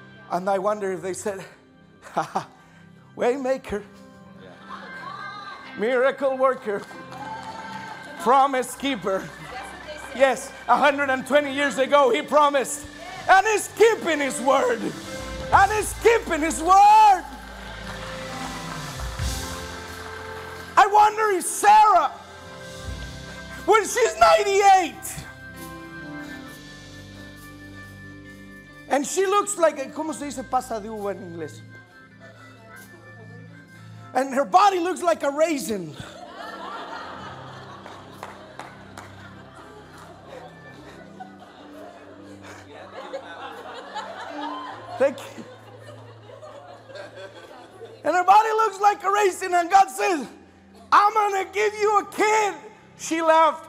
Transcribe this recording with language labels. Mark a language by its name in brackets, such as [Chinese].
[English] And I wonder if they said, ha-ha, waymaker, miracle worker, promise keeper. Yes, 120 years ago, he promised. And he's keeping his word. And he's keeping his word. I wonder if Sarah, when she's 98, and she looks like, [Spanish] ¿cómo se dice pasa de uva en inglés? [English] And her body looks like a raisin. Thank you. And her body looks like a raisin, and God says, I'm gonna give you a kid. She laughed.